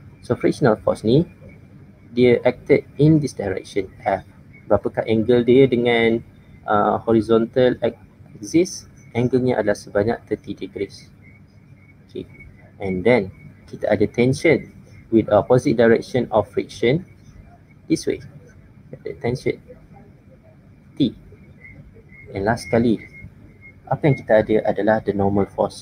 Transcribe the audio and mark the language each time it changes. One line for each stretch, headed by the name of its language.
English: So frictional force
Malay: ni dia
English: acted in this direction F.
Malay: Berapakah angle dia dengan horizontal axis? Angle-nya adalah sebanyak 30 degrees. Okay.
English: And then
Malay: kita ada
English: tension with opposite direction of friction this way. The tension T.
Malay: And last sekali, apa yang kita ada adalah
English: the normal force.